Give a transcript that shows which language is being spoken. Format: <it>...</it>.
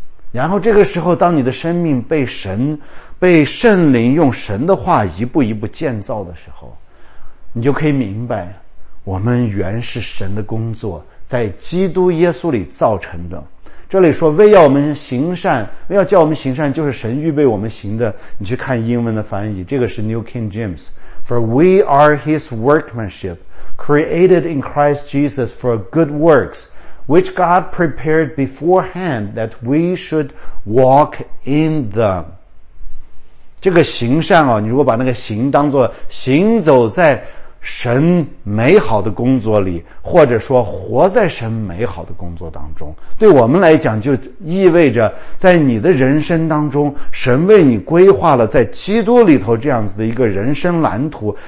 <zh>然后这个时候，当你的生命被神、被圣灵用神的话一步一步建造的时候，你就可以明白，我们原是神的工作，在基督耶稣里造成的。这里说为要我们行善，为要叫我们行善，就是神预备我们行的。你去看英文的翻译，这个是 New King James。</zh> <en>For we are his workmanship, created in Christ Jesus for good works, which God prepared beforehand that we should walk in them.</en> <zh>这个行善啊，你如果把那个行当作行走在神美好的工作里，或者说活在神美好的工作当中，对我们来讲就意味着在你的人生当中，神为你规划了在基督里头这样子的一个人生蓝图。</zh>